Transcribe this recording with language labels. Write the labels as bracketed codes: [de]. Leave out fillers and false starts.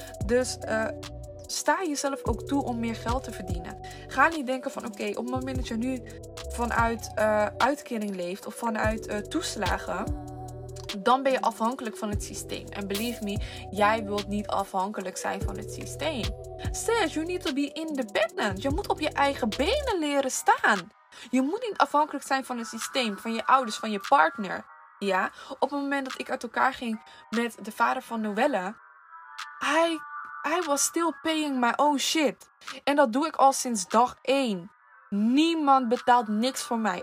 [nl] Dus sta jezelf ook toe om meer geld te verdienen. Ga niet denken van, oké, op het moment dat je nu vanuit uitkering leeft of vanuit toeslagen, dan ben je afhankelijk van het systeem. En [en] believe me, [nl] jij wilt niet afhankelijk zijn van het systeem. [en] Sis, you need to be independent. [nl] Je moet op je eigen benen leren staan. Je moet niet afhankelijk zijn van het systeem, van je ouders, van je partner. Ja, op het moment dat ik uit elkaar ging met de vader van Noelle, hij was [en] still paying my own shit. [nl] En dat doe ik al sinds dag 1. Niemand betaalt niks voor mij.